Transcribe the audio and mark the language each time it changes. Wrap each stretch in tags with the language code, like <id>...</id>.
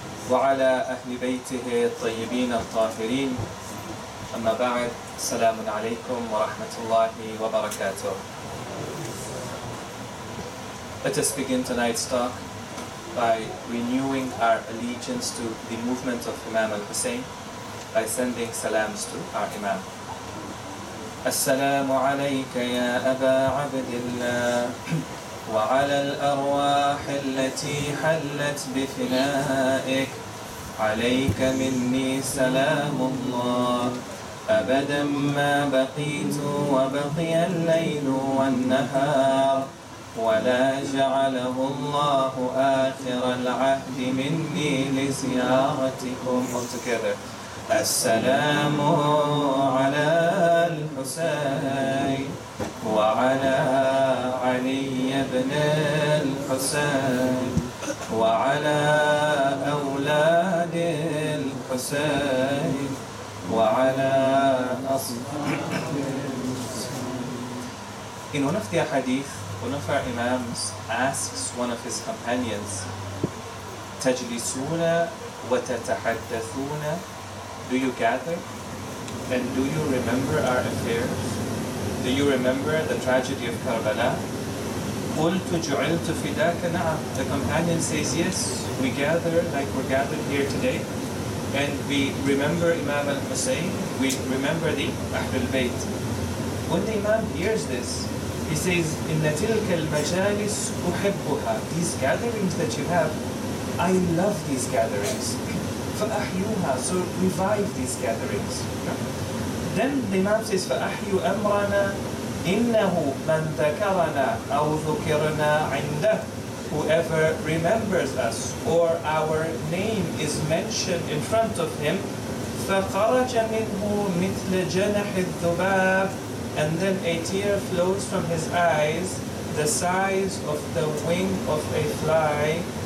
<ar>وعلى أهل بيته الطيبين الطاهرين. أما بعد، السلام عليكم ورحمة الله وبركاته.</ar> <en>Let us begin tonight's talk by renewing our allegiance to the movement of Imam al-Hussein by sending salams to our Imam.</en> <ar>السلام عليك يا أبا عبد الله وعلى الأرواح التي حلت بفنائك عليك مني سلام الله أبدا ما بقيت وبقي الليل والنهار ولا جعله الله آخر العهد مني لزيارتكم. السلام على الحسين وعلى علي بن الحسين وعلى أولاد الحسين وعلى أصحاب.</ar> <en>In one of the hadith, one of our imams asks one of his companions,</en> <ar>تجلسون وتتحدثون.</ar> <en>Do you gather? And do you remember our affairs? Do you remember the tragedy of Karbala?</en> <ar>قلت جعلت فداك نعم.</ar> <en>The companion says, yes, we gather like we're gathered here today. And we remember Imam al-Hussein. We remember the Ahlul Bayt. When the Imam hears this, he says,</en> <ar>إِنَّ تِلْكَ الْمَجَالِسْ أُحِبُّهَا.</ar> <en>These gatherings that you have, I love these gatherings.</en> <ar>فَأَحْيُوهَا.</ar> <en>So revive these gatherings. Then the Imam says,</en> <ar>فَأَحْيُوا أَمْرَنَا إِنَّهُ مَنْ ذَكَرَنَا أَوْ ذُكِرْنَا عِنْدَهُ.</ar> <en>Whoever remembers us or our name is mentioned in front of him,</en> <ar>فَخَرَجَ مِنْهُ مِثْلَ جَنَحِ الذُّبَابِ.</ar> <en>And then a tear flows from his eyes the size of the wing of a fly.</en>